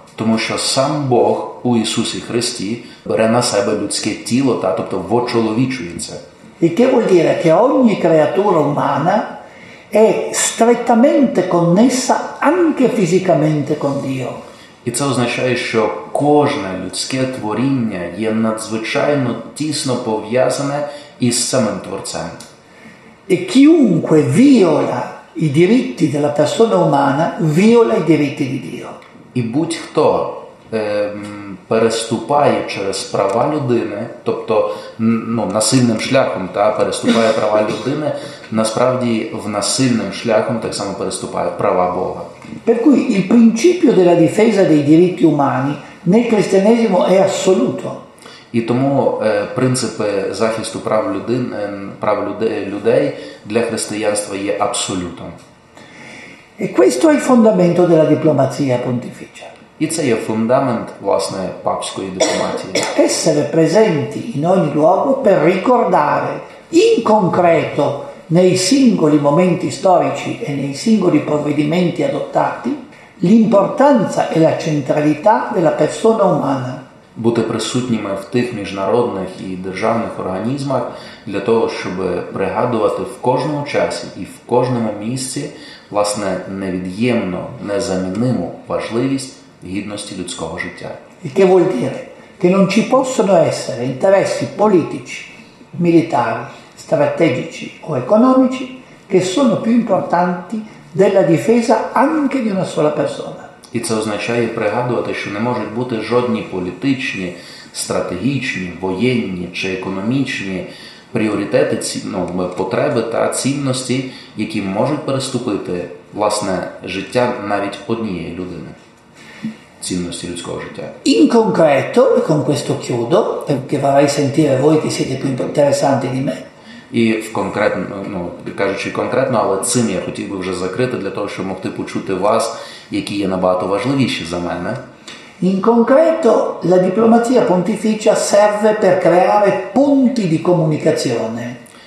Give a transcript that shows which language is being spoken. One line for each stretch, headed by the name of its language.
Ukrainian: Тому що сам Бог у Ісусі Христі бере на себе людське тіло, тобто вочоловічується.
Italian: E che vuol dire? Che ogni creatura umana è strettamente connessa anche fisicamente con Dio.
Ukrainian: І це означає, що кожне людське творіння є надзвичайно тісно пов'язане із самим Творцем.
Italian: E chiunque viola i diritti della persona umana viola i diritti di Dio.
Ukrainian: І будь-хто переступає через права людини, тобто насильним шляхом переступає права людини, насправді насильним шляхом так само переступає права Бога.
Italian: Per cui il principio della difesa dei diritti umani nel cristianesimo è assoluto.
Ukrainian: І тому принципи захисту прав людей для християнства є абсолютом.
Italian: E questo è il fondamento della diplomazia pontificia.
Ukrainian: І це є фундамент, власне, папської дипломатії.
Italian: Essere presenti in ogni luogo per ricordare in concreto nei singoli momenti storici e nei singoli provvedimenti adottati l'importanza e la centralità della persona umana.
Ukrainian: Бути присутніми в тих міжнародних і державних організмах для того, щоб пригадувати в кожному часі і в кожному місці власне невід'ємну, незамінну важливість гідності людського життя. І
Italian: che vuol dire? Che non ci possono essere interessi
Ukrainian: політичні,
Italian: militari, strategici o economici che sono più importanti della difesa anche di una sola persona.
Ukrainian: І це означає пригадувати, що не можуть бути жодні політичні, стратегічні, воєнні чи економічні пріоритети, потреби та цінності, які можуть переступити власне життя навіть однієї людини. Цінності людського життя.
Italian: In concreto, e con questo chiudo, perché vorrei sentire voi che siete più interessanti di me.
Ukrainian: І в конкретно, кажучи конкретно, але цим я хотів би вже закрити для того, щоб могти почути вас, які є набагато важливіші за мене.
Italian: In concreto, la diplomazia pontificia serve per creare punti di comunicazione.